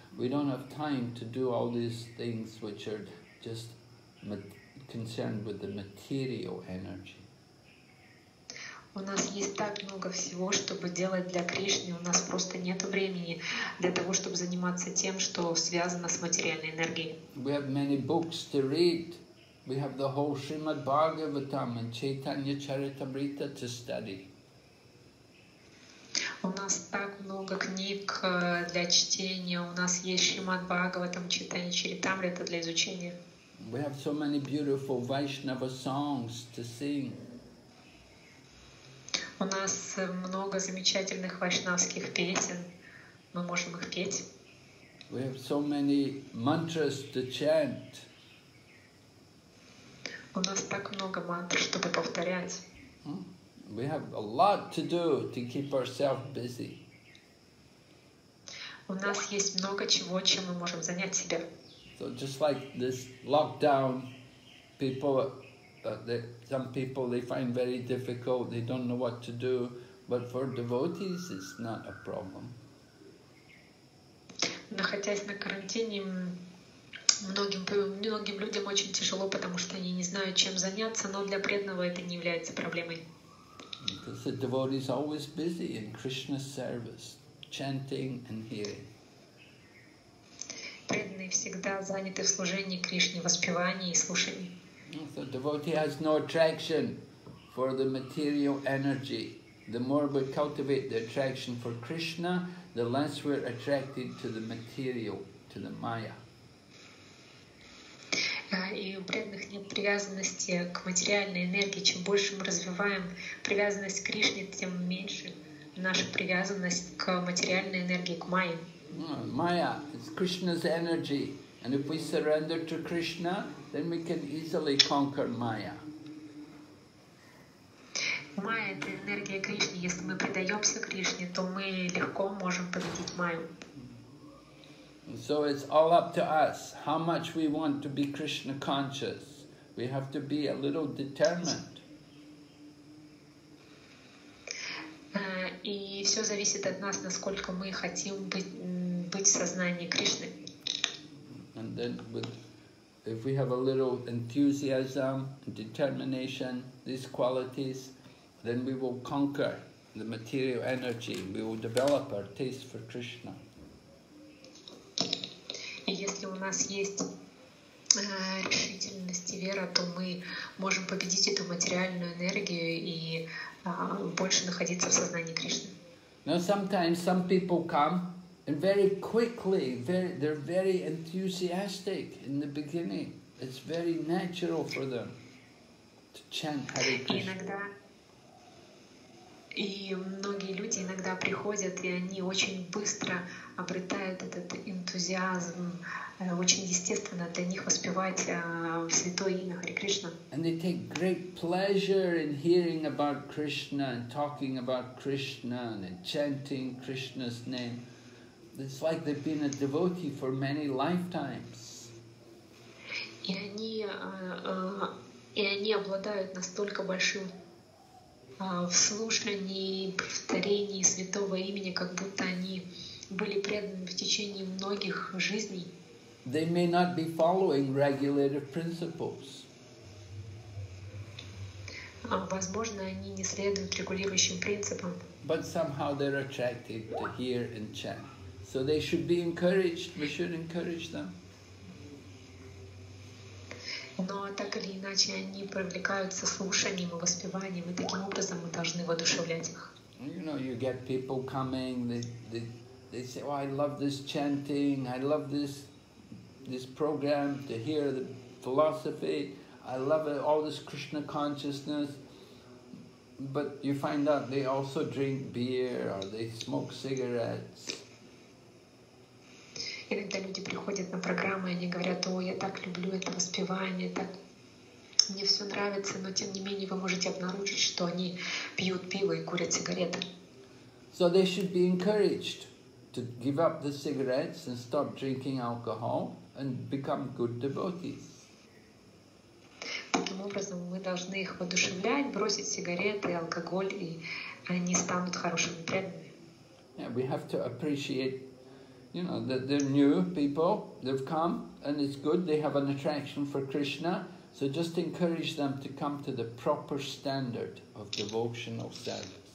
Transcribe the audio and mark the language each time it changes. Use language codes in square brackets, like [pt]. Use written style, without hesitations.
[en] We don't have time to do all these things which are just concerned with the material energy. [ru] У нас есть так много всего, чтобы делать для Кришны. У нас просто нет времени для того, чтобы заниматься тем, что связано с материальной энергией. [en] We have many books to read. We have the whole Srimad Bhagavatam and Chaitanya Charitamrita to study. [ru] У нас так много книг для чтения. У нас есть Шримад Бхагаватам, Чайтанья Чаритамрита для изучения. [en] We have so many beautiful Vaishnava songs to sing. [ru] У нас много замечательных вайшнавских песен. Мы можем их петь. [en] We have so many mantras to chant. [ru] У нас так много мантр, чтобы повторять. [en] We have a lot to do to keep ourselves busy. [ru] У нас есть много чего, чем мы можем занять себя. [en] So just like this lockdown, some people find very difficult, they don't know what to do, but for devotees it's not a problem. [ru] Находясь на карантине, многим людям очень тяжело, потому что они не знают, чем заняться, но для преданного это не является проблемой. [en] Because the devotee is always busy in Krishna's service, chanting and hearing. [ru] Преданные всегда заняты в служении Кришне, воспевании и слушании. [en] So devotee has no attraction for the material energy. The more we cultivate the attraction for Krishna, the less we're attracted to the material, to the Maya. [ru] И у преданных нет привязанности к материальной энергии. Чем больше мы развиваем привязанность к Кришне, тем меньше наша привязанность к материальной энергии, к Майе. Майя — это [en] Кришна's energy. And if we surrender to Krishna, then we can easily conquer Майя. [ru] Майя — это энергия Кришны. Если мы предаемся Кришне, то мы легко можем победить Майю. [en] So it's all up to us how much we want to be Krishna conscious. We have to be a little determined. [ru] И все зависит от нас, насколько мы хотим быть в сознании Кришны. [en] And then with, if we have a little enthusiasm, determination, these qualities, then we will conquer the material energy. We will develop our taste for Krishna. [ru] И если у нас есть решительность и вера, то мы можем победить эту материальную энергию и больше находиться в сознании Кришны. [en] Now sometimes some people come and very quickly, they're very enthusiastic in the beginning. It's very natural for them to chant Hare Krishna. [ru] И многие люди иногда приходят, и они очень быстро обретают этот энтузиазм, очень естественно для них воспевать святое имя Хари Кришна. [en] And they take great pleasure in hearing about Krishna and talking about Krishna and chanting Krishna's name. It's like they've been a devotee for many lifetimes. [ru] И они обладают настолько большим в слушании, повторении святого имени, как будто они были преданы в течение многих жизней. [en] They may not be following regulative principles. [ru] Возможно, они не следуют регулирующим принципам. [en] But somehow they're attracted to hear and chant. So they should be encouraged. We should encourage them. [ru] Но так или иначе они привлекаются слушанием и воспеванием, и таким образом мы должны воодушевлять их. [en] You know, you get people coming, they say, oh, I love this chanting, I love this program to hear the philosophy, I love it, all this Krishna consciousness. But you find out they also drink beer or they smoke cigarettes. [ru] Иногда люди приходят на программу, и они говорят, о, я так люблю это воспевание, так мне все нравится, но тем не менее вы можете обнаружить, что они пьют пиво и курят сигареты. [en] So they should be encouraged to give up the cigarettes and stop drinking alcohol and become good devotees. [ru] Таким образом, мы должны их воодушевлять, бросить сигареты, алкоголь, и они станут хорошими преданными. [en] Yeah, we have to appreciate, you know, that they're new people, they've come, and it's good, they have an attraction for Krishna, so just encourage them to come to the proper standard of devotional service.